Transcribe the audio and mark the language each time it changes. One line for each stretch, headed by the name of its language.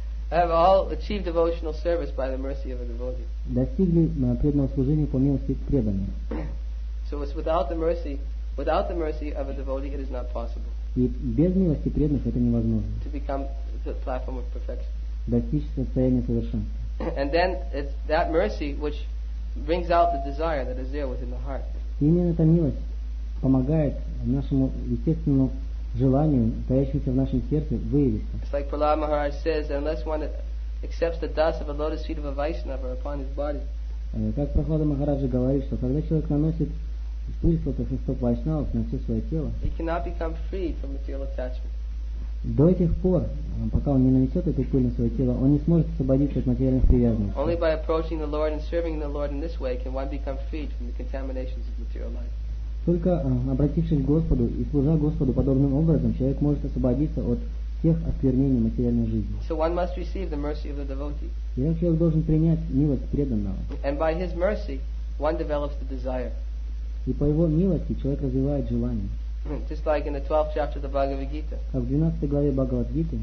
English: Have all achieved devotional service by the mercy of a devotee.
Russian: Достигли преданного служения по милости преданного.
English: So it's without the mercy of a devotee, it is not possible.
Russian: И без милости преданных это невозможно.
English: To become the platform of perfection.
Russian: Достичь состояния совершенства.
English: And then it's that mercy which brings out the desire that is there within the heart.
Russian: Именно эта милость помогает нашему естественному желанию, таящемуся в нашем сердце, выявиться.
English: It's like Prahlad Maharaj says, unless one accepts the dust of a lotus feet of a Vaishnava upon his body.
Russian: Как Прахлад Махараджа говорит, что когда человек наносит пыль со стоп Вайшнавов на все свое тело,
English: he cannot become free from material attachment.
Russian: До тех пор, пока он не нанесет эту пыль на свое тело, он не сможет освободиться от материальных привязанностей.
English: Only by approaching the Lord and serving the Lord in this way can one become freed from the contaminations of material life.
Russian: Только обратившись к Господу и служа Господу подобным образом, человек может освободиться от всех осквернений материальной жизни.
English: So one must receive the mercy of the devotee.
Russian: И так человек должен принять милость преданного.
English: And by his mercy, one develops the desire.
Russian: И по его милости человек развивает желание.
English: Just like in the 12th chapter of the Bhagavad Gita.
Russian: Как в 12 главе Бхагавад Гиты.